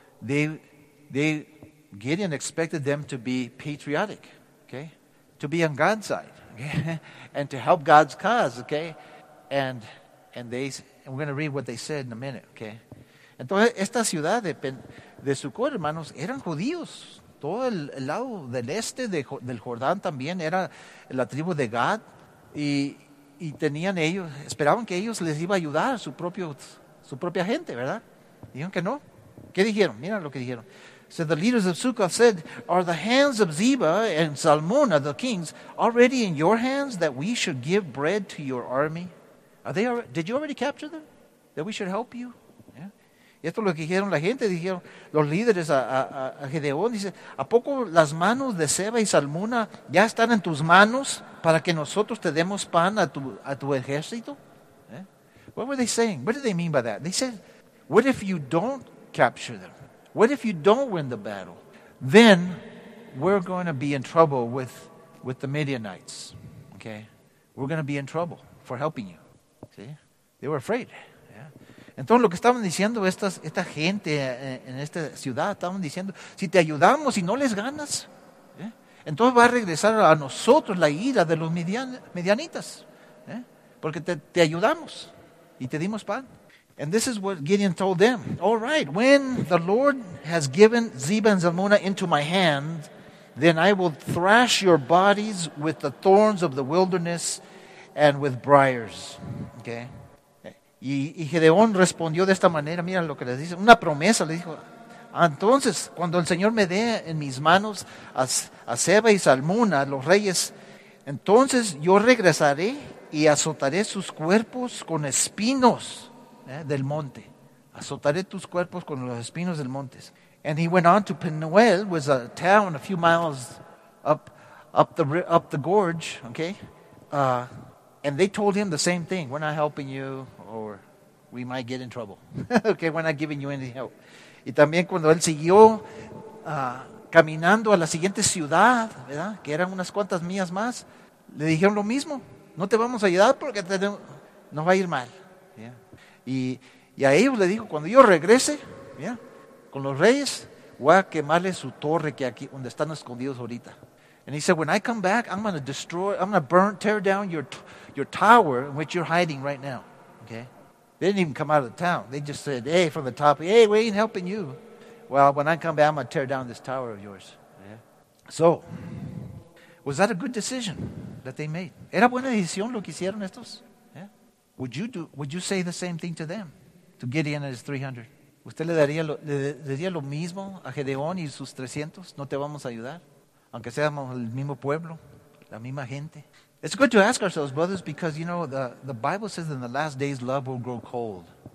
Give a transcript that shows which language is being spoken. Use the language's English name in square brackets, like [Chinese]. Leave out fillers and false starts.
[English] And so Gideon expected them to be patriotic, okay? To be on God's side. And to help God's cause, okay? And we're going to read what they said in a minute, okay? [Spanish] Entonces, esta ciudad de Sucot, hermanos, eran judíos. Todo el lado del este del Jordán también era la tribu de Gad. Y tenían ellos, esperaban que ellos les iba a ayudar su propia gente, ¿verdad? Dijeron que no. ¿Qué dijeron? Mira lo que dijeron. [English] So the leaders of Sukkoth said, are the hands of Zeba and Zalmunna, the kings, already in your hands that we should give bread to your army? Did you already capture them? That we should help you? Yeah. [Spanish] Y esto es lo que dijeron la gente, dijeron los líderes a Gedeón. Dice, ¿a poco las manos de Zeba y Zalmunna ya están en tus manos para que nosotros te demos pan a tu ejército? [English] Yeah. What were they saying? What did they mean by that? They said, what if you don't capture them? What if you don't win the battle? Then we're going to be in trouble with the Midianites. Okay? We're going to be in trouble for helping you. See? They were afraid. Yeah. [Spanish] Entonces lo que estaban diciendo esta gente en esta ciudad, estaban diciendo, si te ayudamos y no les ganas, yeah, entonces va a regresar a nosotros la ira de los Midianitas. Yeah? Porque te ayudamos y te dimos pan. [English] And this is what Gideon told them. All right, when the Lord has given Zeba and Zalmunna into my hand, then I will thrash your bodies with the thorns of the wilderness and with briars. Okay. [Spanish] Y Gedeón respondió de esta manera, mira lo que le dice, una promesa, le dijo, entonces, cuando el Señor me dé en mis manos a Zeba y Zalmunna, los reyes, entonces yo regresaré y azotaré sus cuerpos con espinos. Del monte. Azotaré tus cuerpos con los espinos del monte. [English] And he went on to Penuel, was a town a few miles up the gorge, okay? And they told him the same thing. We're not helping you or we might get in trouble. Okay, we're not giving you any help. [Spanish] Y también cuando él siguió caminando a la siguiente ciudad, ¿verdad? Que eran unas cuantas millas más, le dijeron lo mismo. No te vamos a ayudar porque nos va a ir mal. Y a ellos le dijo, cuando yo regrese, yeah, con los reyes, voy a quemarle su torre que aquí, donde están escondidos ahorita. [English] And he said, when I come back, I'm going to destroy, I'm going to burn, tear down your tower in which you're hiding right now. Okay? They didn't even come out of the town. They just said, hey, from the top, hey, we ain't helping you. Well, when I come back, I'm going to tear down this tower of yours. Yeah. So, was that a good decision that they made? [Spanish] ¿Era buena decisión lo que hicieron estos? [English] Would you say the same thing to them, to Gideon and his 300? [Spanish] ¿Usted le daría lo mismo a Gedeón y sus 300? No te vamos a ayudar, aunque seamos el mismo pueblo, la misma gente. [English] It's good to ask ourselves, brothers, because you know the Bible says in the last days love will grow cold.